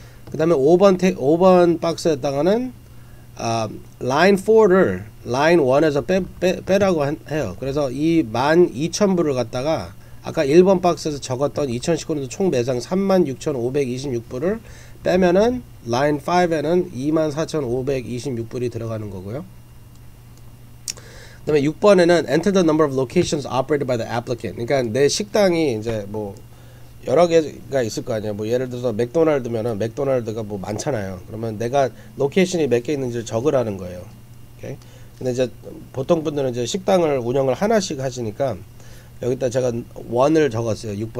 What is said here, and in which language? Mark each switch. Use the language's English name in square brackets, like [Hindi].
[Korean] 그 다음에 5번 박스에다가는 라인 4를 라인 1에서 빼라고 해요. 그래서 이 12,000불을 갖다가 아까 1번 박스에서 적었던 2019년도 총 매상 36,526불을 빼면은 라인 5에는 24,526불이 들어가는 거고요. 그다음에 6번에는 [English] Enter the number of locations operated by the applicant. [Korean] 그러니까 내 식당이 이제 뭐 여러 개가 있을 거 아니에요. 뭐 예를 들어서 맥도날드면은 맥도날드가 뭐 많잖아요. 그러면 내가 로케이션이 몇개 있는지 적으라는 거예요. 오케이? 근데 이제 보통 분들은 이제 식당을 운영을 하나씩 하시니까 여기다 제가 원을 적었어요.